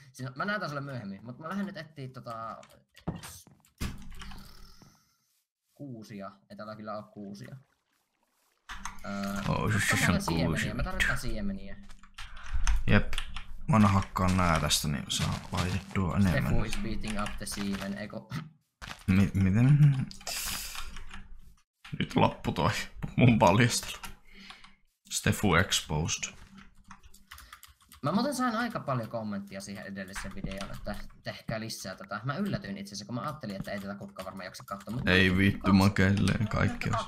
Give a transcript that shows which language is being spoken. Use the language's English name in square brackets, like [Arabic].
[Finnish] Siis, mä näytän sulle myöhemmin, mut mä lähden nyt etsiä tota... Kuusia. Ei täällä kyllä oo kuusia. Siis on kuusia. Mä tarvitaan siemeniä. Jep. Mä aina hakkaan nää tästä, niin saa laitettua enemmän. [English] Stefu is beating up the semen, eiku... [Finnish] Miten? Nyt loppu toi mun paljastelu. [English] Stefu exposed. [Finnish] Mä muuten sain aika paljon kommenttia siihen edelliseen videoon, että tehkää lisää tätä. Mä yllätyin itseasiassa, kun mä ajattelin, että ei tätä kukka varmaan jaksa katsoa. Mutta ei vittu, mä kelleen kaikki